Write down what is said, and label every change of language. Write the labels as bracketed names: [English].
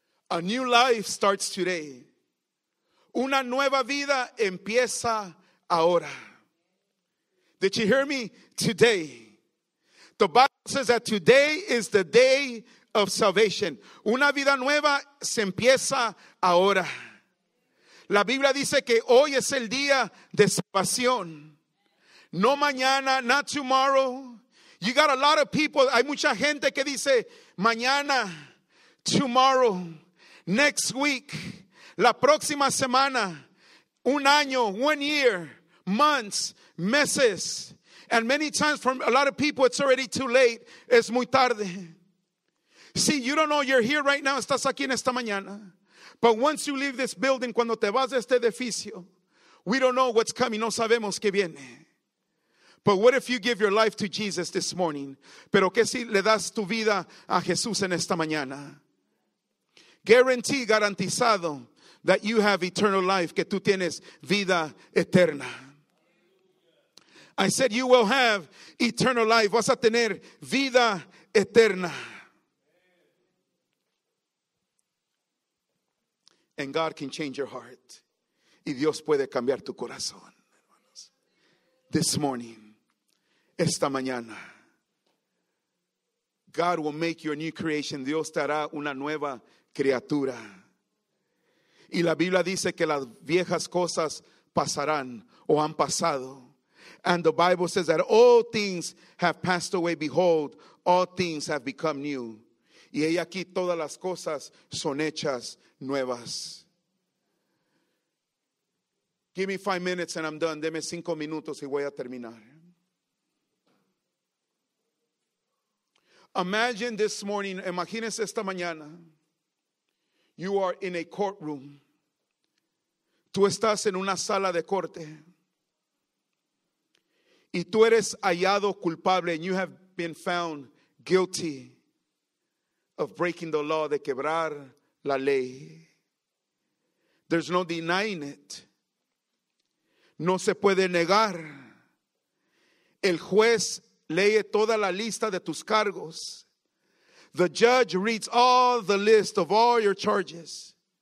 [English] A new life starts today. [Spanish] Una nueva vida empieza ahora. [English] Did you hear me? Today. The Bible says that today is the day of salvation. [Spanish] Una vida nueva se empieza ahora. La Biblia dice que hoy es el día de salvación. No mañana, [English] not tomorrow. You got a lot of people. [Spanish] Hay mucha gente que dice mañana, tomorrow. [English] Next week, [Spanish] la próxima semana, un año, [English] 1 year, months, [Spanish] meses. [English] And many times for a lot of people, it's already too late. [Spanish] Es muy tarde. [English] See, you don't know you're here right now. [Spanish] Estás aquí en esta mañana. [English] But once you leave this building, [Spanish] cuando te vas de este edificio, [English] we don't know what's coming. [Spanish] No sabemos qué viene. [English] But what if you give your life to Jesus this morning? [Spanish] Pero que si le das tu vida a Jesús en esta mañana? [English] Guarantee, [Spanish] garantizado, [English] that you have eternal life, [Spanish] que tú tienes vida eterna. [English] I said you will have eternal life. [Spanish] Vas a tener vida eterna. [English] And God can change your heart. [Spanish] Y Dios puede cambiar tu corazón. [English] This morning. [Spanish] Esta mañana. [English] God will make you a new creation. [Spanish] Dios te hará una nueva criatura. Y la Biblia dice que las viejas cosas pasarán o han pasado. [English] And the Bible says that all things have passed away. Behold, all things have become new. [Spanish] Y he aquí todas las cosas son hechas nuevas. [English] Give me 5 minutes and I'm done. [Spanish] Deme 5 minutos y voy a terminar. [English] Imagine this morning, [Spanish] imagínese esta mañana. [English] You are in a courtroom. [Spanish] Tú estás en una sala de corte. Y tú eres hallado culpable, [English] and you have been found guilty of breaking the law, [Spanish] de quebrar la ley. [English] There's no denying it. [Spanish] No se puede negar. El juez lee toda la lista de tus cargos. [English] The judge reads all the list of all your charges.